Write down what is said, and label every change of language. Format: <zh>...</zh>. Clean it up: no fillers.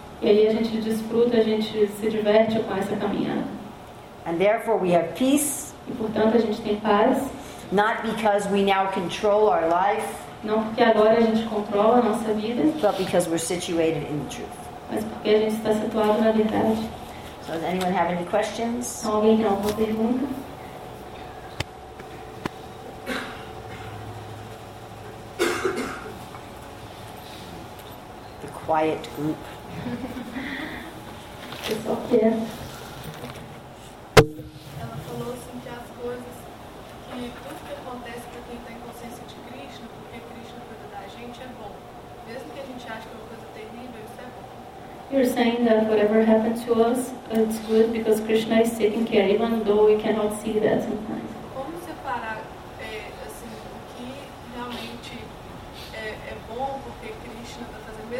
<pt>E aí a gente desfruta, a gente se diverte com essa caminhada.</pt> <en>And therefore we have peace.</en> <pt>E portanto a gente tem paz.</pt> <en>Not because we now control our life.</en> <pt>Não porque agora a gente controla a nossa vida.</pt> <en>But because we're situated in the truth.</en> <pt>Mas porque a gente está situado na verdade.</pt> <en>So does anyone have any questions?</en> <pt>Alguém tem alguma pergunta?</pt> <en>Quiet group. It's up there.</en> <pt>Ela falou assim que as coisas que tudo que acontece para quem tem consciência de Krishna, porque Krishna cuida da gente, é bom. Mesmo que a gente ache que é uma coisa terrível, isso é bom.</pt> <en>You're saying that whatever happened to us, it's good because Krishna is taking care, even though we cannot see that sometimes.</en> <pt>Como separar assim, o que realmente é bom porque Krishna está fazendo?</pt>